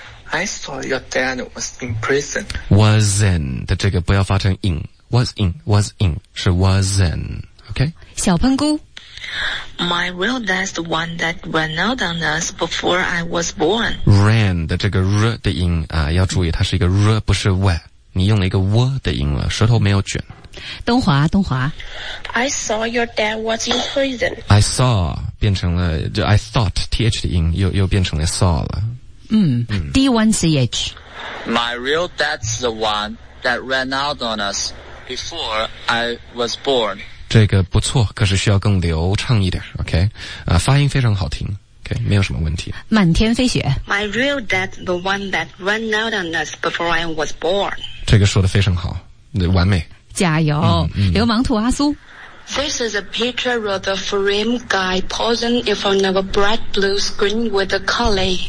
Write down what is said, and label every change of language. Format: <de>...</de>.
<en>I saw your dad was in prison. Was in,</en> <zh>的这个不要发成</zh> <en>in, was in, 是 was in, OK.</en> <zh>小喷菇。</zh> <en>My real dad's the one that ran out on us before I was born.</en> <zh>Ran 的这个 r 的音啊，要注意，它是一个 r 不是 w。你用了一个 w 的音了，舌头没有卷。东华，东华。</zh> <en>I saw your dad was in prison.</en> <zh>I saw 变成了就 I thought th 的音又变成了 saw 了。 D1CH.</zh> <en>My real dad's the one that ran out on us before I was born.</en> <zh>这个不错可是需要更流畅一点 OK、发音非常好听 OK 没有什么问题满天飞雪</zh> <en>My real dad the one that ran out on us before I was born</en> <zh>这个说得非常好完美加油、流氓兔阿苏</zh> <en>This is a picture of the frame guy posing in front of a bright blue screen with a collie</en>